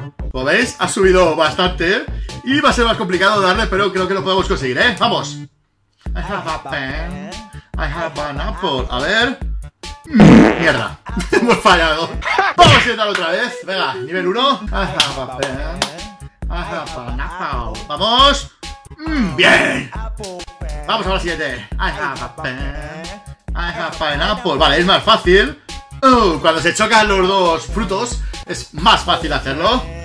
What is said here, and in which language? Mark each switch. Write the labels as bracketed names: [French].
[Spanish] Como veis, ha subido bastante y va a ser más complicado darle, pero creo que lo podemos conseguir, ¿eh? ¡Vamos! [English] I have a pen, I have an apple. [Spanish] A ver... ¡Mierda! Hemos fallado. Vamos a intentar otra vez. Venga, nivel 1. [English] I have a pen, I have an apple. [Spanish] ¡Vamos! ¡Bien! Vamos a la siguiente. [English] I have a pen, I have an apple. [Spanish] Vale, es más fácil. Cuando se chocan los dos frutos, es más fácil hacerlo.